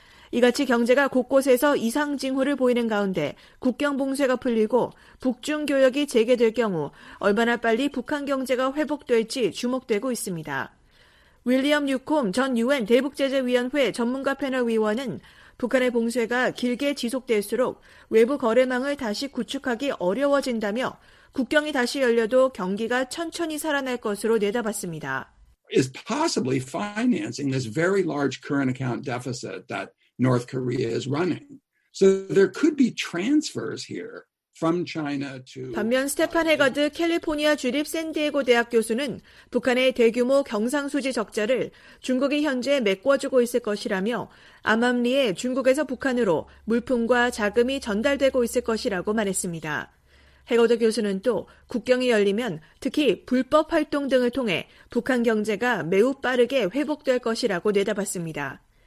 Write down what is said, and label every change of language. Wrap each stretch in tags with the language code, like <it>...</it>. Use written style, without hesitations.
<ko>이같이 경제가 곳곳에서 이상 징후를 보이는 가운데 국경 봉쇄가 풀리고 북중 교역이 재개될 경우 얼마나 빨리 북한 경제가 회복될지 주목되고 있습니다. 윌리엄 뉴콤 전 유엔 대북제재위원회 전문가 패널 위원은 북한의 봉쇄가 길게 지속될수록 외부 거래망을 다시 구축하기 어려워진다며 국경이 다시 열려도 경기가 천천히 살아날 것으로 내다봤습니다.</ko> <en>Is possibly financing this very large current account deficit that North Korea is running. So there could be transfers here from China to</en> <ko>반면 스테판 해가드 캘리포니아 주립 샌디에고 대학 교수는 북한의 대규모 경상수지 적자를 중국이 현재 메꿔주고 있을 것이라며 암암리에 중국에서 북한으로 물품과 자금이 전달되고 있을 것이라고 말했습니다. 해거드 교수는 또 국경이 열리면 특히 불법 활동 등을 통해 북한 경제가 매우 빠르게 회복될 것이라고 내다봤습니다.</ko>